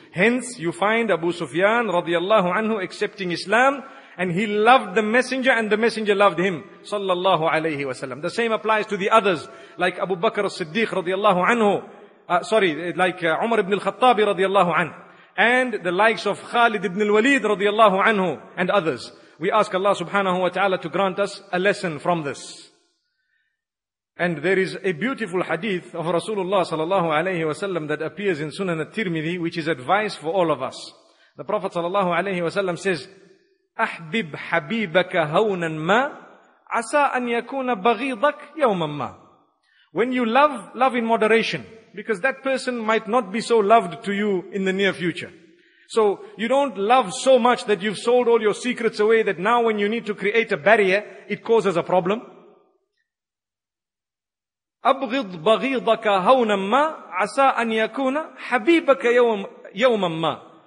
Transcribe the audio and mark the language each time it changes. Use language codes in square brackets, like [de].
[en] Hence, you find Abu Sufyan radiallahu anhu accepting Islam, and he loved the messenger, and the messenger loved him, sallallahu alayhi wa sallam. The same applies to the others, like Abu Bakr as-Siddiq radiallahu anhu, Umar ibn al-Khattab radiallahu anhu, and the likes of Khalid ibn al-Walid radiallahu anhu, and others. We ask Allah subhanahu wa ta'ala to grant us a lesson from this. And there is a beautiful hadith of Rasulullah sallallahu alayhi wa sallam that appears in Sunan al-Tirmidhi, which is advice for all of us. The Prophet sallallahu alayhi wa sallam says, [ar] أحبب حبيبك هونا ما عسى أن يكون بغيضك يوما ما. [en] When you love, love in moderation, because that person might not be so loved to you in the near future. So you don't love so much that you've sold all your secrets away, that now when you need to create a barrier, it causes a problem. [ar] أَبْغِضْ بَغِيضَكَ هَوْنَمَّا عَسَىٰ أَنْ يَكُونَ حَبِيبَكَ يَوْمَمَّا.